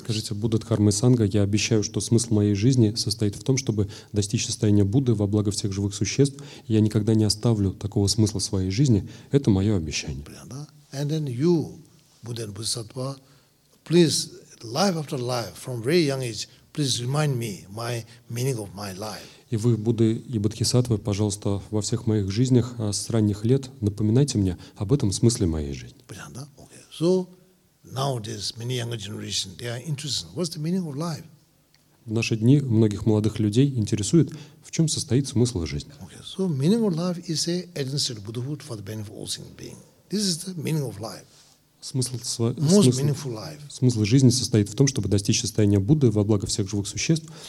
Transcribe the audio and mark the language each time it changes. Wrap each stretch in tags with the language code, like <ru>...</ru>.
<ru>Скажите, Будда Дхарма Санга, я обещаю, что смысл моей жизни состоит в том, чтобы достичь состояния Будды во благо всех живых существ. Я никогда не оставлю такого смысла своей жизни. Это мое обещание. Понятно?</ru> <en>And then you, Buddha and Bodhisattva, please, life after life, from very young age, please remind me my meaning of my life.</en> <ru>И вы, Будды и Бодхисаттвы, пожалуйста, во всех моих жизнях с ранних лет напоминайте мне об этом смысле моей жизни. Понятно? Okay.</ru> <en>So nowadays many younger generation they are interested. What's the meaning of life?</en> <ru>В наши дни многих молодых людей интересует, в чем состоит смысл жизни.</ru> <en>Okay. So meaning of life is a entrance to Buddhahood for the benefit of all sentient beings. This is the meaning of life.</en> <ru>Смысл жизни состоит в том, чтобы достичь состояния Будды во благо всех живых существ.</ru>